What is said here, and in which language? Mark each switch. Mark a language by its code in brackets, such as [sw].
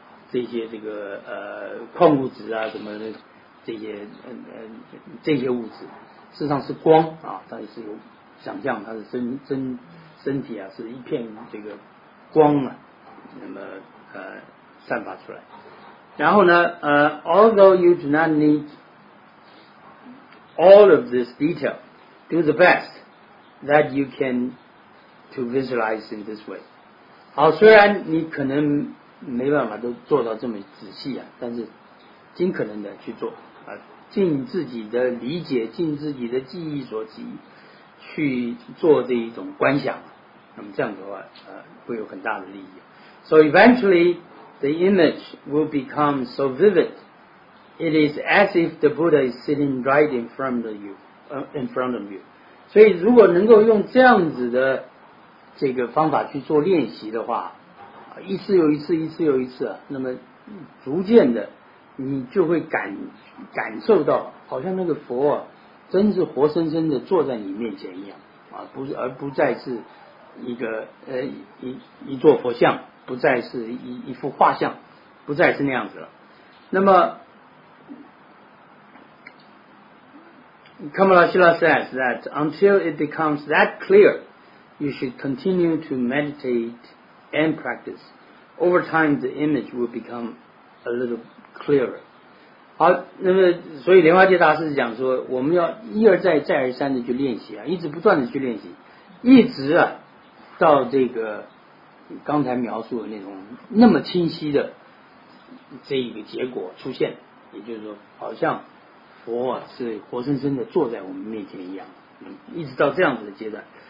[zh] 这些这个矿物质啊什么的这些物质，事实上是光啊，它是有想象它的身体啊是一片这个光啊，那么散发出来。然后呢 [en] although you do not need all of this detail, do the best that you can to visualize in this way. [zh] 好，虽然你可能没办法都做到这么仔细啊，但是尽可能的去做啊，尽自己的理解，尽自己的记忆所及去做这一种观想，那么这样的话会有很大的利益。 [en] So eventually the image will become so vivid. It is as if the Buddha is sitting right in front of you, [zh] 所以如果能够用这样子的这个方法去做练习的话，一次又一次，一次又一次，那么逐渐的你就会感受到好像那个佛啊真是活生生的坐在你面前一样啊，不是，而不再是一个一座佛像，不再是一幅画像，不再是那样子了。那么 [en] Kamalashila says that until it becomes that clear, you should continue to meditate and practice. Over time, the image will become a little clearer. [zh] 好，那么所以莲花界大师讲说，我们要一而再，再而三的去练习啊，一直不断的去练习，一直啊到这个刚才描述的那种那么清晰的这一个结果出现，也就是说，好像佛啊是活生生的坐在我们面前一样，一直到这样子的阶段。